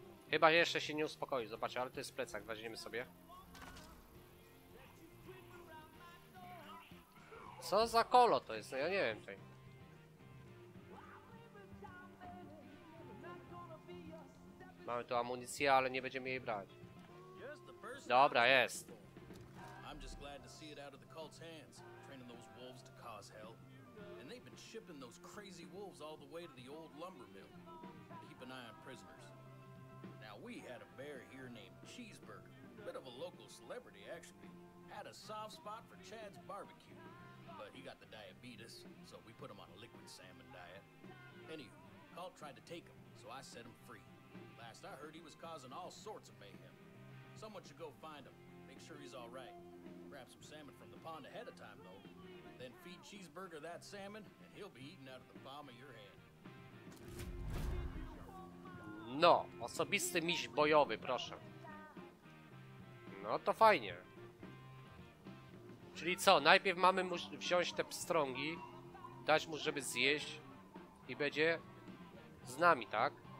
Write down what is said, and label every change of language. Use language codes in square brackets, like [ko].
[pl] Chyba jeszcze się nie uspokoi. Zobacz, ale to jest plecak. Weźmiemy sobie. Co za kolo to jest? Ja nie wiem tutaj. Mamy tu amunicję, ale nie będziemy jej brać. Dobra, jest. [en] I'm just glad to see it out of the cult's hands, training those wolves to cause hell. And they've been shipping those crazy wolves all the way to the old lumber mill. Keep an eye on prisoners. Now we had a bear here named Cheeseburger, a bit of a local celebrity actually. Had a soft spot for Chad's barbecue, but he got the diabetes, so we put him on a liquid salmon diet. Anywho, cult tried to take him, so I set him free. Last I heard, he was causing all sorts of mayhem. Someone should go find him. Make sure he's all right. Grab some salmon from the pond ahead of time, though. Then feed Cheeseburger that salmon, and he'll be eating out of the palm of your hand. [pl] No, osobisty miś bojowy, proszę. No to fajnie. Czyli co, najpierw mamy mu wziąć te pstrągi, dać mu, żeby zjeść i będzie z nami, tak?